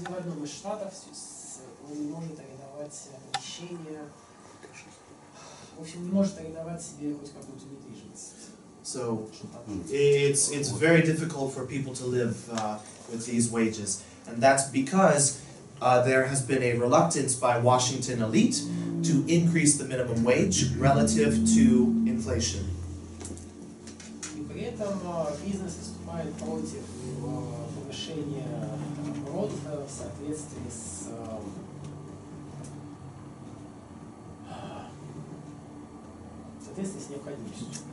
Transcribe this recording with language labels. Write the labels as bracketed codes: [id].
[ru] Ни в одном из штатов он не может арендовать помещение. В общем, не может арендовать себе хоть какую-то недвижимость. [en] So, it's very difficult for people to live with these wages. And that's because there has been a reluctance by Washington elite to increase the minimum wage relative to inflation. [ru] И при этом бизнес выступает против повышения оборота в соответствии с необходимостью.